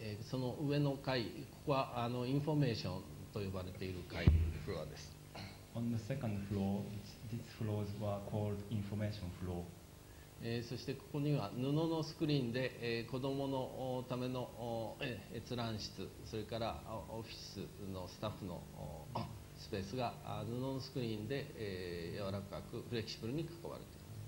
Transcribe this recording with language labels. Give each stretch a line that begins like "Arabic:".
Japanese: その上の階、ここはインフォメーションと呼ばれている階フロアです。
English: On the second floor, these floors were called information floor。
Japanese: そしてここには布のスクリーンで、子どものための閲覧室、それからオフィスのスタッフのスペースが布のスクリーンで、柔らかくフレキシブルに囲われています。